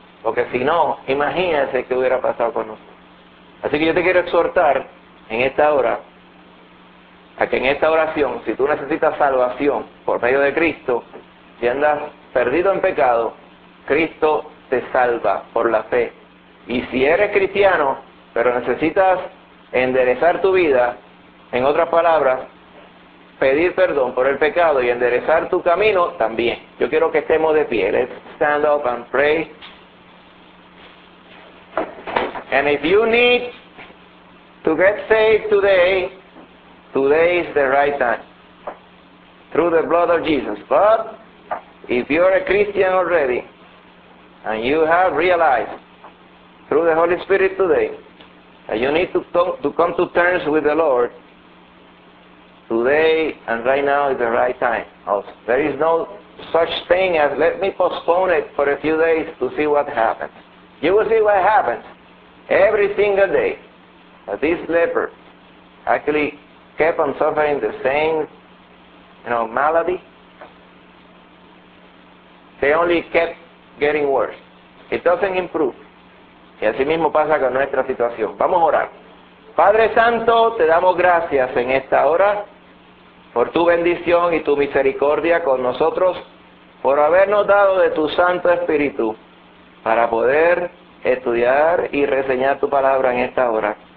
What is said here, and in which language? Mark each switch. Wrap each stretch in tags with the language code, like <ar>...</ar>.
<es>Porque si no, imagínense qué hubiera pasado con nosotros. Así que yo te quiero exhortar en esta hora, a que en esta oración, si tú necesitas salvación por medio de Cristo, si andas perdido en pecado, Cristo te salva por la fe. Y si eres cristiano, pero necesitas enderezar tu vida, en otras palabras, pedir perdón por el pecado y enderezar tu camino, también. Yo quiero que estemos de pie.</es> <en>Let's stand up and pray. And if you need to get saved today, today is the right time. Through the blood of Jesus. But if you're a Christian already, and you have realized through the Holy Spirit today that you need to come to terms with the Lord, today and right now is the right time. Also, there is no such thing as let me postpone it for a few days to see what happens. You will see what happens every single day. But this leper actually kept on suffering the same, you know, malady. They only kept getting worse. It doesn't improve.</en> <es>Y así mismo pasa con nuestra situación. Vamos a orar. Padre Santo, te damos gracias en esta hora por tu bendición y tu misericordia con nosotros, por habernos dado de tu Santo Espíritu para poder estudiar y reseñar tu palabra en esta hora.</es>